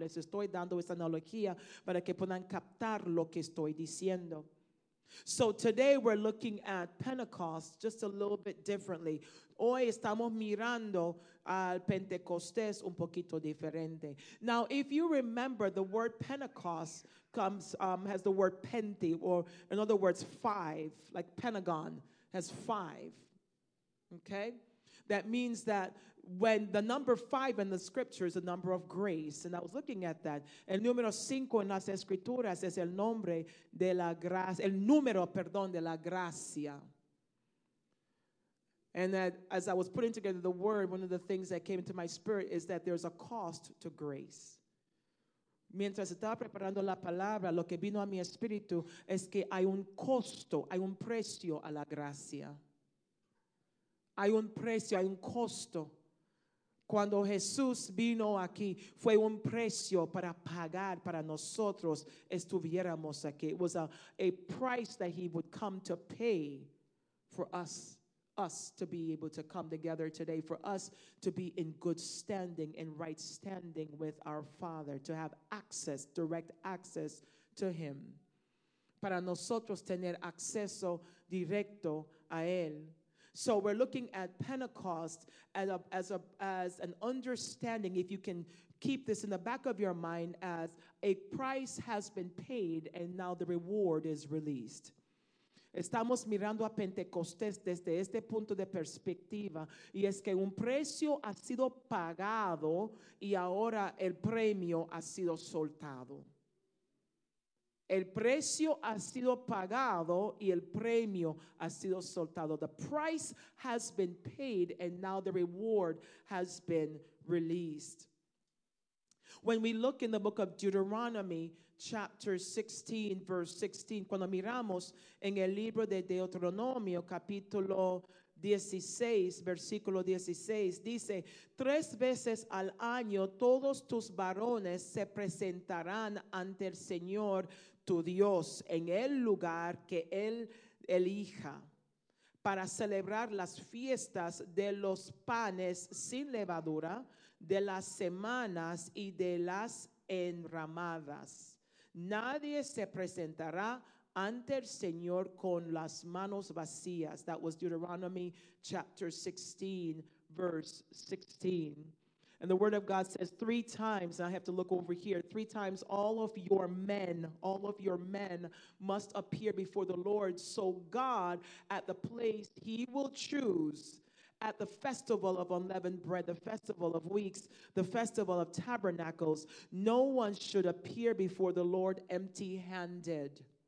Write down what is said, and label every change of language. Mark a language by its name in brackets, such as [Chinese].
[Spanish] Les estoy dando esa analogía para que puedan captar lo que estoy diciendo. [English] So today we're looking at Pentecost just a little bit differently. [Spanish] Hoy estamos mirando al Pentecostés un poquito diferente. [English] Now, if you remember, the word Pentecost comes has the word pente, or in other words, five, like Pentagon has five, okay? That means that when the number five in the scripture is the number of grace, and I was looking at that. [Spanish] El número cinco en las escrituras es el nombre de la gracia, el número, perdón, de la gracia. [English] And that as I was putting together the word, one of the things that came into my spirit is that there's a cost to grace. [Spanish] Mientras estaba preparando la palabra, lo que vino a mi espíritu es que hay un costo, hay un precio a la gracia. Hay un precio, hay un costo. Cuando Jesús vino aquí, fue un precio para pagar para nosotros estuviéramos aquí. [English] It was a price that he would come to pay for us to be able to come together today, for us to be in good standing, in right standing with our Father, to have access, direct access to him. [Spanish] Para nosotros tener acceso directo a él. [English] So we're looking at Pentecost as an understanding, if you can keep this in the back of your mind, as a price has been paid and now the reward is released. [Spanish] Estamos mirando a Pentecostés desde este punto de perspectiva, y es que un precio ha sido pagado y ahora el premio ha sido soltado. El precio ha sido pagado y el premio ha sido soltado. [English] The price has been paid and now the reward has been released. When we look in the book of Deuteronomy, chapter 16, verse 16, [Spanish] cuando miramos en el libro de Deuteronomio, capítulo 16, versículo 16, dice, tres veces al año todos tus varones se presentarán ante el Señor tu Dios en el lugar que él elija para celebrar las fiestas de los panes sin levadura, de las semanas y de las enramadas. Nadie se presentará ante el Señor con las manos vacías. [English] That was Deuteronomy chapter 16, verse 16. And the word of God says three times, and I have to look over here, three times all of your men must appear before the Lord. So God, at the place he will choose, at the festival of unleavened bread, the festival of weeks, the festival of tabernacles, no one should appear before the Lord empty-handed.